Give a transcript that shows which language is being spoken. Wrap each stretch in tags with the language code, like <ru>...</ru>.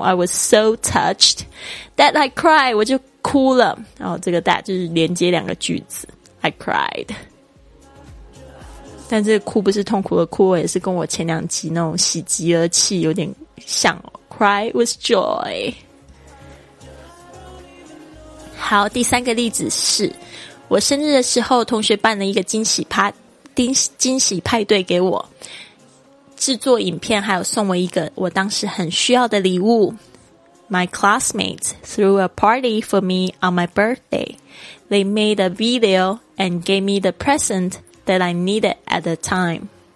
<en>I was so touched that I cried,</en> <zh>我就哭了。哦，这个 that 就是连接两个句子。</zh> <en>I cried,</en> <zh>但这个哭不是痛苦的哭，也是跟我前两集那种喜极而泣有点像。</zh> <en>Cry with joy。</en> <zh>好，第三个例子是我生日的时候，同学办了一个惊喜派对给我。制作影片还有送我一个我当时很需要的礼物。</zh> <en>My classmates threw a party for me on my birthday. They made a video and gave me the present that I needed at the time.</en>